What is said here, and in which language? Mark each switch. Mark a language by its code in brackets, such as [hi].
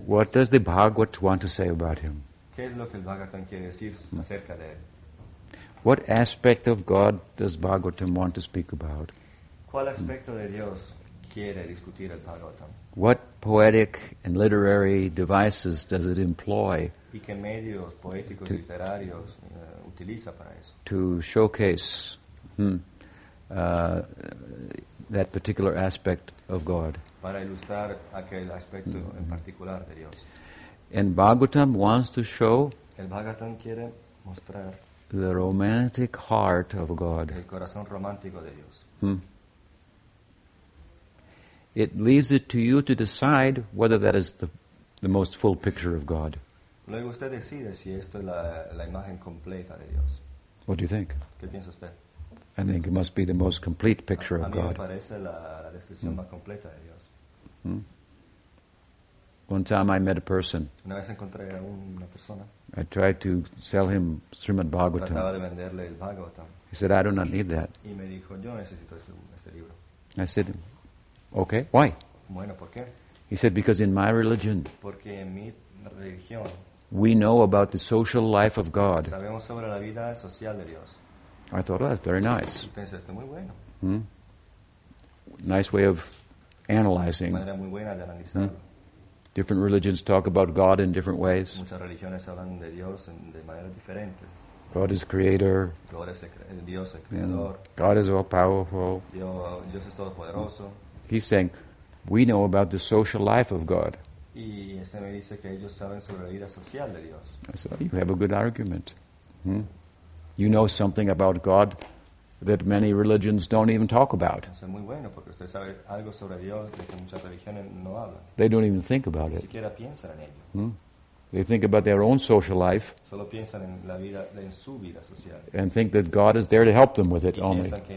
[en] What does the Bhagavat want to say about him? [es] ¿Qué es lo que el Bhagavatam quiere decir acerca de él? [en] What aspect of God does Bhagavatam want to speak about? [es] ¿Cuál aspecto de Dios quiere discutir el Bhagavatam? [en] What poetic and literary devices does it employ? [es] ¿Y qué medios poéticos literarios utiliza para eso? [en] To showcase that particular aspect of God. [es] Para ilustrar aquel aspecto en particular de Dios. [en] And Bhagavatam wants to show [es] el Bhagavatam quiere mostrar [en] the romantic heart of God. [es] El corazón romántico de Dios. [en] It leaves it to you to decide whether that is the most full picture of God. [es] Luego usted decide si esto es la imagen completa de Dios. [en] What do you think? [es] ¿Qué piensa usted? [en] I think it must be the most complete picture of God. [es] A mí me parece la descripción más completa de Dios. [en] One time I met a person. [es] Una vez encontré a una persona. [en] I tried to sell him Srimad Bhagavatam. [es] Trataba de venderle el Bhagavatam. [en] He said, I do not need that. [es] Y me dijo, yo necesito ese libro. [en] I said, okay, why? [es] Bueno, ¿por qué? [en] He said, because in my religion, [es] porque en mi religión, [en] we know about the social life of God. [es] Sabemos sobre la vida social de Dios. [en] I thought, oh, that's very nice. [es] Pensé, esto es muy bueno. [en] Nice way of analyzing. [es] De manera muy buena de analizarlo. [en] Different religions talk about God in different ways. [es] Muchas religiones hablan de Dios de maneras diferentes. [en] God is creator. [es] Dios es creador. [en] God is all powerful. [es] Dios es todopoderoso. [en] He's saying, we know about the social life of God. [es] Y este me dice que ellos saben sobre la vida social de Dios. [en] I said, you have a good argument. Hmm? You know something about God that many religions don't even talk about. They don't even think about it. They think about their own social life and think that God is there to help them with it only.